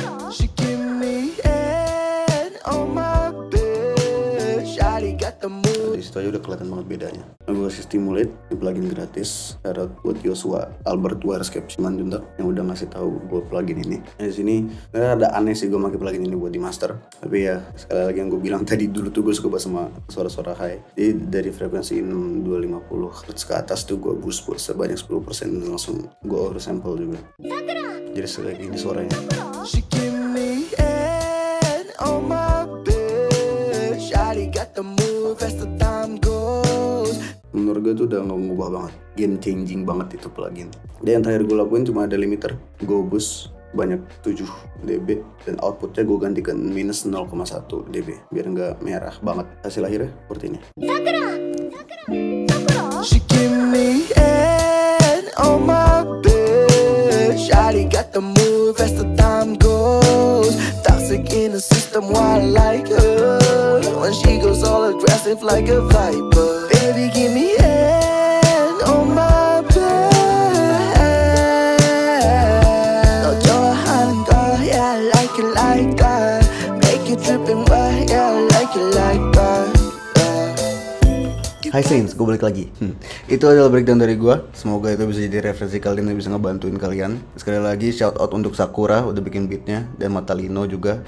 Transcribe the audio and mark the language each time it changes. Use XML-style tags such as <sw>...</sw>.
<en>She give me head on my bitch. Shawty got the move.</en> <id>Itu aja udah kelihatan banget bedanya. Lalu gue kasih stimulate, ini plugin gratis. Shoutout buat Yosua Albert Wirescape Simanjuntak yang udah ngasih tahu gue plugin ini. Nah disini, sebenernya ada aneh sih gue pake plugin ini buat di master. Tapi ya, sekali lagi yang gue bilang tadi, dulu tuh gue suka bahas sama suara-suara high. Jadi dari frekuensi 6250 Hz ke atas tuh gue boost buat sebanyak 10% dan langsung gue over sample juga. Jadi sekali lagi ini suaranya.</id> <en>She give me head on my bitch. Shawty got the move as the time goes.</en> <id>Menurut gue tuh udah gak ngubah banget. Game changing banget itu plugin. Dan yang terakhir gue lakuin cuma ada limiter. Gue boost banyak 7 dB. Dan outputnya gue ganti ke minus 0,1 dB. Biar gak merah banget. Hasil akhirnya seperti ini.</id> <en>Sakura! She give me head on my bitch. Shawty got the move as the time goes. Toxic in the system while I like her. When she goes all aggressive like a viper. Baby give me head on my bed.</en> <ko>너 좋아하는 거</ko> <en>yeah I like it like that. Make you tripping wild yeah I like it like that.</en> <id>Hi Saints, gue balik lagi. Itu adalah breakdown dari gue. Semoga itu bisa jadi referensi kalian dan bisa ngebantuin kalian. Sekali lagi, shout out untuk Sakura udah bikin beatnya, dan Matalino juga.</id>